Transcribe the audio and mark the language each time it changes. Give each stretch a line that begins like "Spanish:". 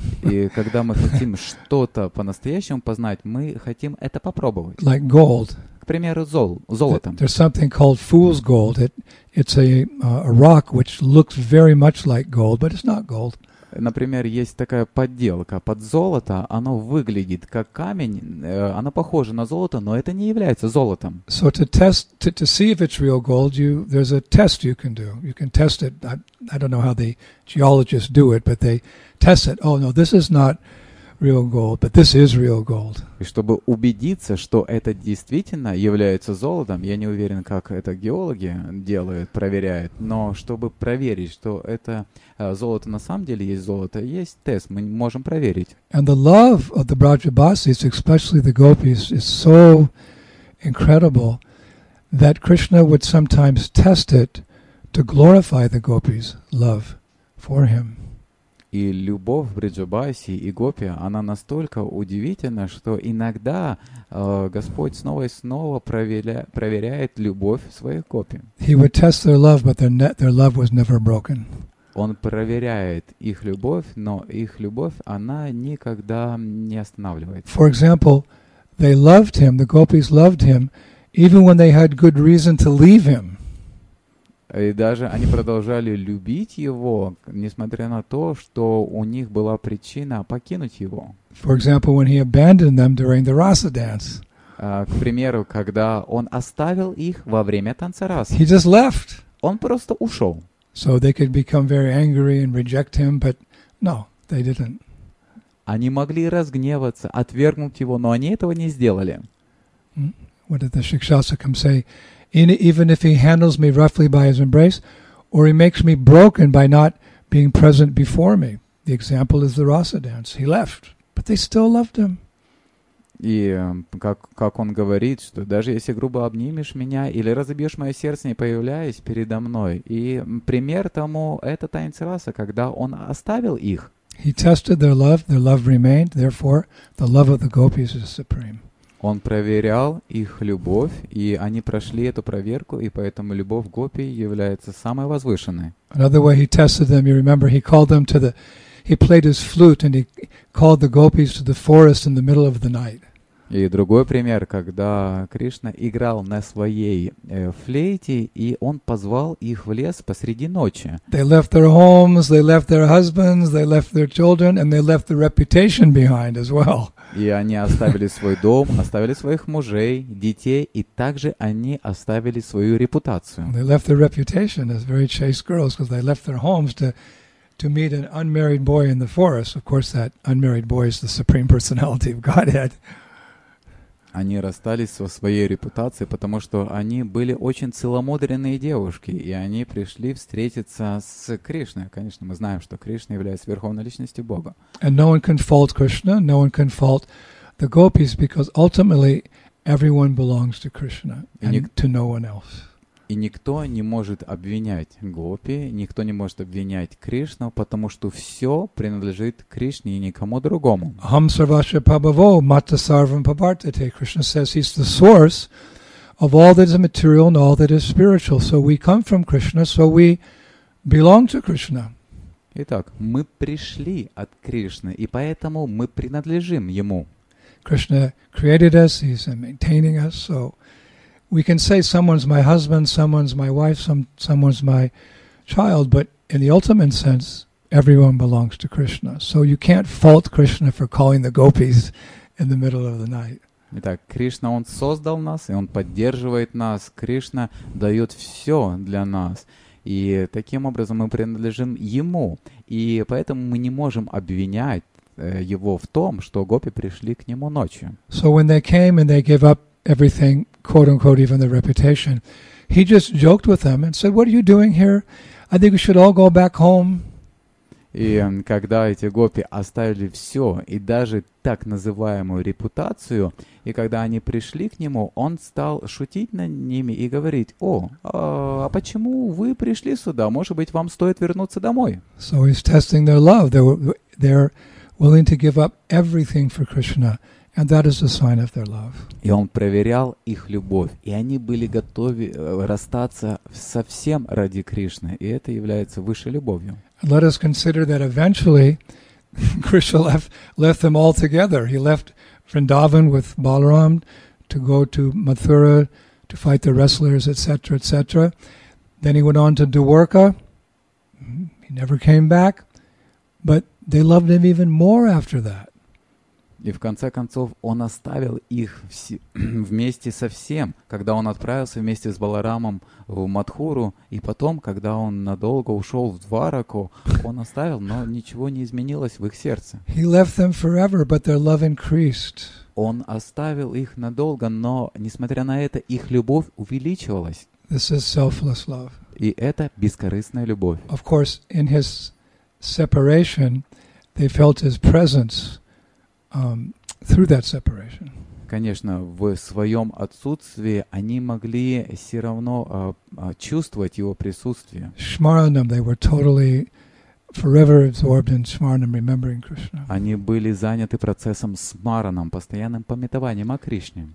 Russian: И когда мы хотим что-то по-настоящему познать, мы хотим это попробовать.
English: Like gold.
Russian: К примеру, золотом.
English: There's something called fool's gold. It's a rock which looks very much like gold, but it's not gold.
Russian: Например, есть такая подделка под золото. Оно выглядит как камень. Оно похоже на золото, но это не является золотом.
English: So to test to see if it's real gold, there's a test you can do. You can test it. I don't know how the geologists do it, but they test it. Oh no, this is not real gold, but this is real gold.
Russian: И чтобы убедиться, что это действительно является золотом, я не уверен, как это геологи делают, проверяют, но чтобы проверить, что это золото на самом деле есть золото, есть тест, мы можем проверить.
English: And the love of the Brajabasis, especially the gopis, is so incredible that Krishna would sometimes test it to glorify the gopis' love for him.
Russian: И любовь Бриджабаси и Гопи, она настолько удивительна, что иногда Господь снова и снова проверяет любовь своих Гопи.
English: He would test their love, but their love was never broken.
Russian: Он проверяет их любовь, но их любовь, она никогда не останавливается.
English: For example, they loved him, the Gopis loved him, even when they had good reason to leave him.
Russian: И даже они продолжали любить его, несмотря на то, что у них была причина покинуть его.
English: For example, when he abandoned them during the Rasa dance.
Russian: К примеру, когда он оставил их во время танца Раса.
English: He just left.
Russian: Он просто ушел.
English: So they could become very angry and reject him, but no, they didn't.
Russian: Они могли разгневаться, отвергнуть его, но они этого не сделали.
English: What did the Shikshasakam say? Even if he handles me roughly by his embrace, or he makes me broken by not being present before me. The example is the Rasa dance. He left, but they still loved him.
Russian: И как он говорит, что даже если грубо обнимешь меня или разобьешь мое сердце, не появляясь передо мной. И пример тому — это танец Раса, когда он оставил их.
English: He tested their love remained, therefore the love of the gopis is supreme.
Russian: Он проверял их любовь, и они прошли эту проверку, и поэтому любовь гопи является самой возвышенной.
English: Another way he tested them, you remember, he called them to the, he played his flute and he called the gopis to the forest in the middle of the night.
Russian: И другой пример, когда Кришна играл на своей флейте, и он позвал их в лес посреди ночи.
English: They left their homes, they left their husbands, they left their children, and they left their reputation behind as well.
Russian: И они оставили свой дом, оставили своих мужей, детей, и также они оставили свою репутацию.
English: They left their reputation as very chaste girls, because they left their homes to meet an unmarried boy in the forest. Of course, that unmarried boy is the supreme personality of Godhead.
Russian: Они расстались со своей репутацией, потому что они были очень целомудренные девушки, и они пришли встретиться с Кришной. Конечно, мы знаем, что Кришна является верховной личностью Бога.
English: And no one can fault Krishna, no one can fault the gopis, because ultimately everyone belongs to Krishna and to no one else.
Russian: И никто не может обвинять гопи, никто не может обвинять Кришну, потому что все принадлежит Кришне и никому другому.
Sanskrit: Aham sarvasya pabhavo mata sarvam pabhartate.
English: Krishna says he's the source of all that is material and all that is spiritual. So we come from Krishna, so we belong to Krishna.
Russian: Итак, мы пришли от Кришны, и поэтому мы принадлежим Ему.
English: Krishna created us, He's maintaining us, so we can say someone's my husband, someone's my wife, someone's my child, but in the ultimate sense, everyone belongs to Krishna. So you can't fault Krishna for calling the gopis in the middle of the night.
Russian: Итак, Кришна, Он создал нас, и Он поддерживает нас. Кришна дает все для нас. И таким образом мы принадлежим Ему. И поэтому мы не можем обвинять Его в том, что гопи пришли к Нему ночью.
English: So when they came and they gave up everything, quote unquote, even their reputation, he just joked with them and said, "What are you doing here? I think we should all go back home."
Russian: И когда эти гопи оставили все и даже так называемую репутацию, и когда они пришли к нему, он стал шутить над ними и говорить: «О, а почему вы пришли сюда? Может быть, вам стоит вернуться домой?»
English: So he's testing their love. They're willing to give up everything for Krishna. And that is a sign of their love.
Russian: И он проверял их любовь, и они были готовы расстаться совсем ради Кришны, и это является высшей любовью.
English: And let us consider that eventually Krishna left them all together. He left Vrindavan with Balaram to go to Mathura to fight the wrestlers, etc., etc. Then he went on to Dwarka. He never came back, but they loved him even more after that.
Russian: И в конце концов он оставил их вместе со всем, когда он отправился вместе с Баларамом в Матхуру, и потом, когда он надолго ушел в Двараку, он оставил, но ничего не изменилось в их сердце.
English: He left them forever, but their love increased.
Russian: Он оставил их надолго, но, несмотря на это, их любовь увеличивалась.
English: This is selfless love.
Russian: И это бескорыстная любовь.
English: Of course, in his separation, they felt his presence. Through that separation.
Russian: Конечно, в своем отсутствии они могли все равно чувствовать его присутствие.
English: Шмаранам, they were totally forever absorbed in Шмаранам, remembering Krishna.
Russian: Они были заняты процессом Смаранам, постоянным памятованием о Кришне.